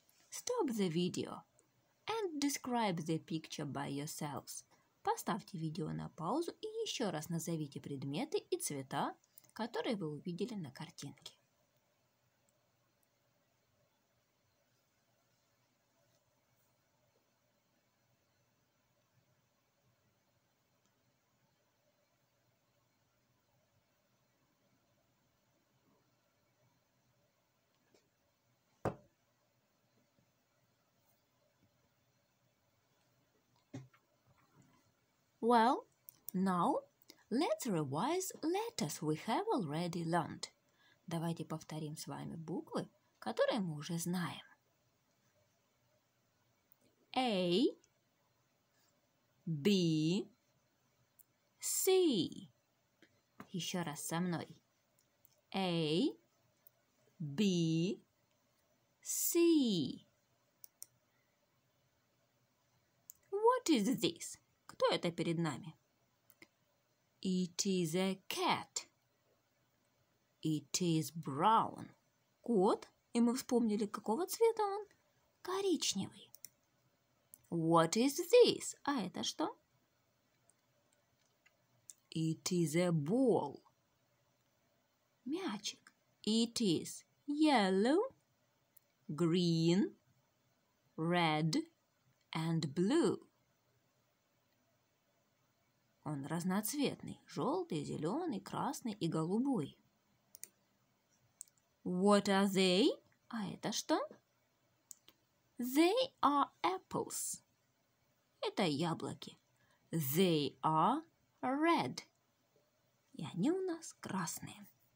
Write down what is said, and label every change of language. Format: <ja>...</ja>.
<en>Stop the video and describe the picture by yourselves.</en> <ru>Поставьте видео на паузу и еще раз назовите предметы и цвета, которые вы увидели на картинке.</ru> <en>Well, now let's revise letters we have already learned.</en> <ru>Давайте повторим с вами буквы, которые мы уже знаем. A, B, C. Еще раз со мной.</ru> <en>A, B, C. What is this?</en> <ru>Кто это перед нами?</ru> <en>It is a cat. It is brown. Кот.</en> <ru>И мы вспомнили, какого цвета он? Коричневый.</ru> <en>What is this?</en> <ru>А это что?</ru> <en>It is a ball. Мячик. It is yellow, green, red and blue.</en> <ru>Он разноцветный. Желтый, зеленый, красный и голубой.</ru> <en>What are they?</en> <ru>А это что?</ru> <en>They are apples.</en> <ru>Это яблоки.</ru> <en>They are red.</en> <ru>И они у нас красные.</ru>